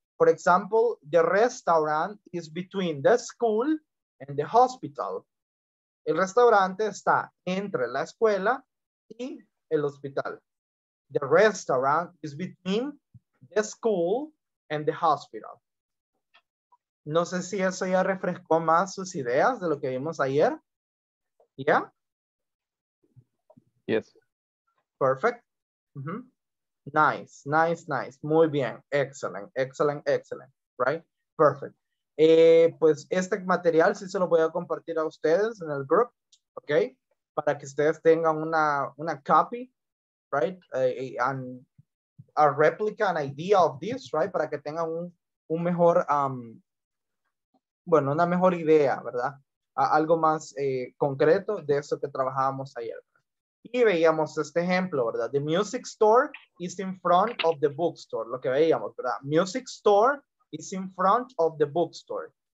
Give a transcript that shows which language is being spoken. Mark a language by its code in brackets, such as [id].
[en] For example, the restaurant is between the school and the hospital. [es] El restaurante está entre la escuela y el hospital. [en] The restaurant is between the school and the hospital. [es] No sé si eso ya refrescó más sus ideas de lo que vimos ayer. ¿Ya? [en] Yes. Perfect. Mm-hmm. Nice, nice, nice. [es] Muy bien. [en] Excellent, excellent, excellent. Right? Perfect. [es] Pues este material sí se lo voy a compartir a ustedes en el group, ¿ok? Para que ustedes tengan una [en] copy, right? And a replica, an idea of this, right? [es] Para que tengan un mejor, bueno, una mejor idea, ¿verdad? Algo más concreto de eso que trabajábamos ayer. Y veíamos este ejemplo, ¿verdad? [en] The music store is in front of the bookstore. [es] Lo que veíamos, ¿verdad? [en] Music store is in front of the bookstore.